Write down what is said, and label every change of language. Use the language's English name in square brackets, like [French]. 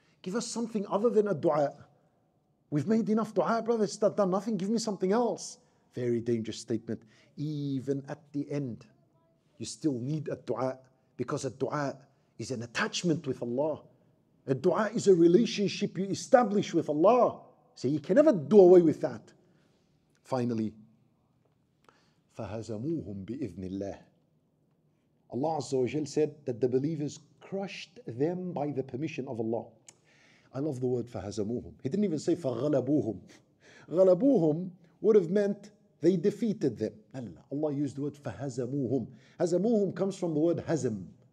[English] Give us something other than a dua. We've made enough dua, brother. It's not done nothing. Give me something else. Very dangerous statement. Even at the end, you still need a dua, because a dua is an attachment with Allah. A dua is a relationship you establish with Allah. So you can never do away with that. Finally, [Arabic] فَهَزَمُوهُمْ بِإِذْنِ اللَّهِ. [English] Allah Azza wa Jal said that the believers crushed them by the permission of Allah. I love the word فَهَزَمُوهُمْ. He didn't even say فَغَلَبُوهُمْ. غَلَبُوهُمْ would have meant they defeated them. Allah used the word فَهَزَمُوهُمْ. هَزَمُوهُمْ comes from the word هَزَم.